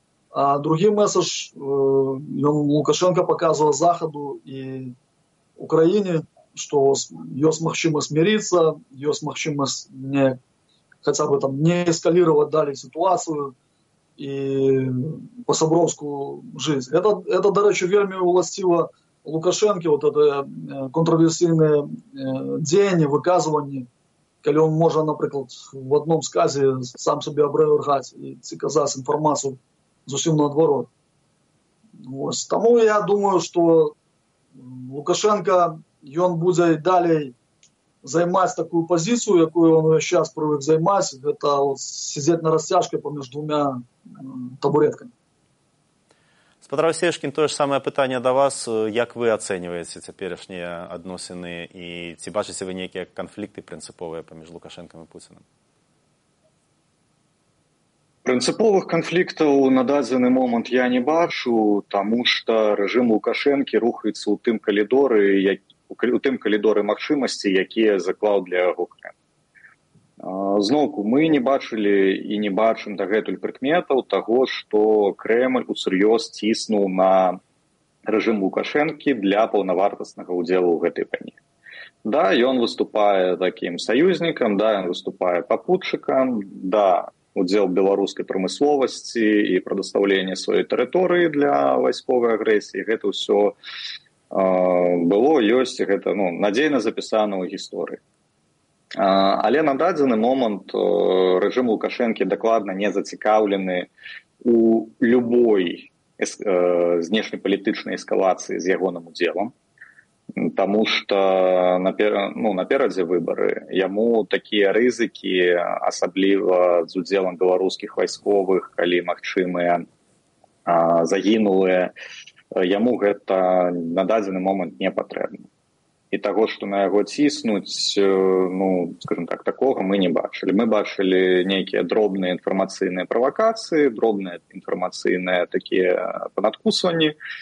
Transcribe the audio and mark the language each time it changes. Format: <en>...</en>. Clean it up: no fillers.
<uk>А другий меседж, Лукашенко показує Заходу і Україні, що є можливість миритися, є можливість не, хоча б там, не ескалувати далі ситуацію і по-собровську життя. Це, до речі, вельми властиво Лукашенко,</uk> <ru>вот это контроверсийные деяния, выказывания, когда он может, например, в одном сказе сам себе обрывать и сказать информацию совсем наоборот. Вот.</ru> <uk>Тому я думаю,</uk> <ru>что Лукашенко, он будет и далее занимать такую позицию, какую он сейчас привык занимать, это вот сидеть на растяжке помеж двумя табуретками.</ru> <uk>Спадар Васешкін, то ж саме питання до вас. Як ви оцінюєте теперішні відносини і чи бачите ви ніякі конфлікти принципові поміж Лукашенком і Путіним? Принципових конфліктів на даний момент я не бачу, тому що режим Лукашенки рухається у тим коридори можливості, які заклав для України. Знову ми не бачили і не бачимо</uk> <be>дагэтуль прикметаў</be> <uk>того, що Кремль усерйоз ціснув на режим</uk> <be>Лукашэнкі для паўнавартаснага ўдзелу ў гэтай вайне. Да, ён выступае таким саюзнікам, да, ён выступае папутчыкам, да, ўдзел беларускай прамысловасці і прадастаўленне сваёй тэрыторыі для вайсковай агрэсіі, гэта ўсё было, ёсць, гэта, ну, надзейна запісана ў гісторыі. Але на дадзены момант режим Лукашэнкі дакладна не зацікаўлены у любой знешнепалітычнай эскалацыі з ягоным удзелам, таму што наперадзе выбары, яму такія рызыкі, асабліва з удзелам беларускіх вайсковых, калі магчымыя загінулыя, яму гэта на дадзены момант не патрэбна.</be> <uk>І того, що на його тиснуть, ну, скажімо так, такого ми не бачили. Ми бачили ніякі дробні інформаційні провокації, дробні інформаційні такі понадкусування.</uk>